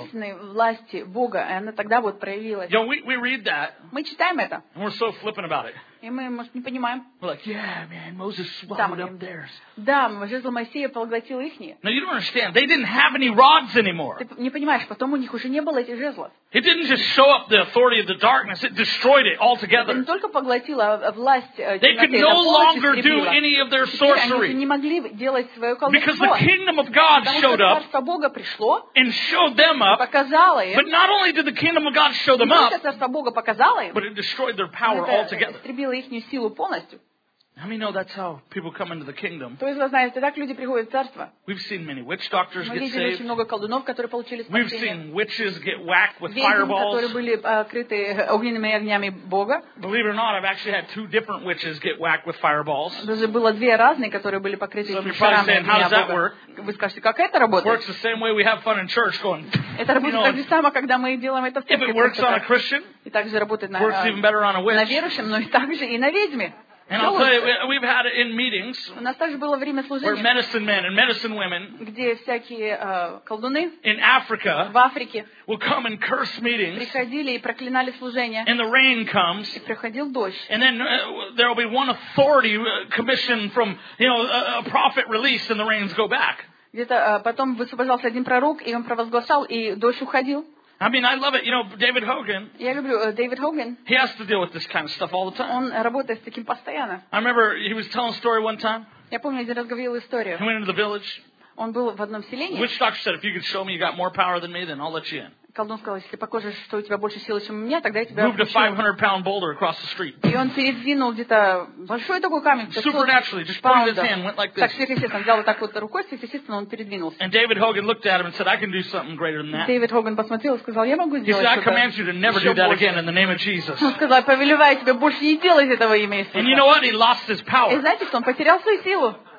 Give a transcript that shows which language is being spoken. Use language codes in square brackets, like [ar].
[ru] В истинной власти Бога, и она тогда вот проявилась. [en] You know, we read that. [ru] Мы читаем это. [en] And we're so flippant about it. [ru] И мы, может, не понимаем. [en] We're like, yeah, man, Moses swallowed up theirs. [ru] Да, жезл Моисея поглотил ихние. [en] Now you don't understand. They didn't have any rods anymore. [ru] Ты не понимаешь, потом у них уже не было этих жезлов. [en] It didn't just show up the authority of the darkness. It destroyed it altogether. [ru] Не только поглотила власть темноты. [en] They could no longer do any of their sorcery. [ru] Они не могли делать свое колдовство. [en] Because the kingdom of God showed up. [ru] Потому что царство Бога пришло. [en] And showed them up. [ru] Показало им. [en] But not only did the kingdom of God show them up. [ru] Не только царство Бога показало им. [en] But it destroyed their power altogether. [ru] Ихнюю силу полностью. [en] How many know that's how people come into the kingdom? [ru] То есть вы знаете, так люди приходят в царство. [en] We've seen many witch doctors get saved. [ru] Мы видели очень много колдунов, которые получили спасение. [en] We've seen witches get whacked with fireballs. [ru] Ведьмы, которые были покрыты огненными огнями Бога. [en] Believe it or not, I've actually had two different witches get whacked with fireballs. [ru] Даже было две разные, которые были покрыты шарами огня Бога. [en] So you're probably saying, how does that work? [ru] Вы скажете, как это работает? [en] It works the same way we have fun in church, going. [ru] Это работает так же само, когда мы делаем это в церкви. [en] If it works on a Christian, [ru] и также работает на [en] works even better on a witch. [ru] На верующем, но и также и на ведьме. [en] And I'll tell you, we've had it in meetings. [ru] У нас также было время служения. [en] Where medicine men and medicine women. [ru] Где всякие колдуны. [en] In Africa. [ru] В Африке. [en] Will come and curse meetings. [ru] Приходили и проклинали служение. [en] And the rain comes. [ru] И приходил дождь. [en] And then there will be one authority commission from, you know, a prophet released, and the rains go back. [ru] Где-то потом высвобождался один пророк, и он провозглашал, и дождь уходил. [en] I mean, I love it. You know, David Hogan. [ru] Я люблю Дэвид Хоган. [en] He has to deal with this kind of stuff all the time. [ru] Он работает с таким постоянно. [en] I remember he was telling a story one time. [ru] Я помню, один раз говорил историю. [en] He went into the village. [ru] Он был в одном селении. [en] Witch doctor said, if you could show me you got more power than me, then I'll let you in. [ru] Колдун сказал, если покажешь, что у тебя больше силы, чем у меня, тогда я тебя [en] moved [ru] включу. [en] A 500-pound boulder across the street. [ru] И он передвинул где-то большой такой камень. [en] Supernaturally, just pointed his hand, went like this. [ru] Так сверхъестественно, взял вот так вот рукой, сверхъестественно, он передвинулся. [en] And David Hogan looked at him and said, I can do something greater than that. [ru] Дэвид Хоган посмотрел и сказал, я могу сделать это. [en] He said, I command you to never do that again in the name of Jesus. [ru] Он сказал, повелеваю тебе больше не делать этого имя Иисуса. [en] And you know what? He lost his power. [ru] И знаете что? Он потерял свою силу.